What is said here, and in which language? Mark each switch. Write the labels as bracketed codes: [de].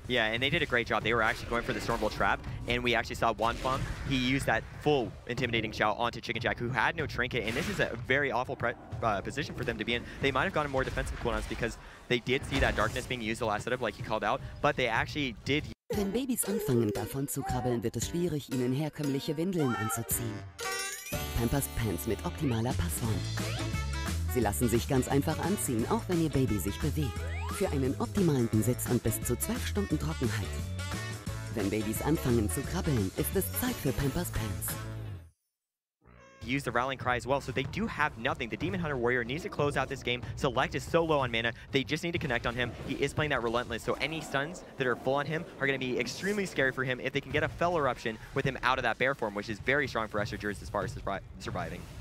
[en] Yeah, and they did a great job. They were actually going for the Stormbolt trap, and we actually saw Wonfong. He used that full intimidating shout onto Chicken Jack, who had no trinket, and this is a very awful position for them to be in. They might have gotten more defensive cooldowns because they did see that darkness being used the last setup, like you called out, but they actually did. [de] Wenn Babys anfangen davon zu krabbeln, wird es schwierig, ihnen herkömmliche Windeln anzuziehen. Pampers Pants mit optimaler Passform. Sie lassen sich ganz einfach anziehen, auch wenn Ihr Baby sich bewegt. Für einen optimalen Sitz und bis zu 12 Stunden Trockenheit. Wenn Babys anfangen zu krabbeln, ist es Zeit für Pampers Pants. [en] Use the Rallying Cry as well, so they do have nothing. The Demon Hunter Warrior needs to close out this game. Select is so low on mana, they just need to connect on him. He is playing that Relentless, so any stuns that are full on him are going to be extremely scary for him if they can get a Fel Eruption with him out of that Bear Form, which is very strong for Escher's as far as surviving.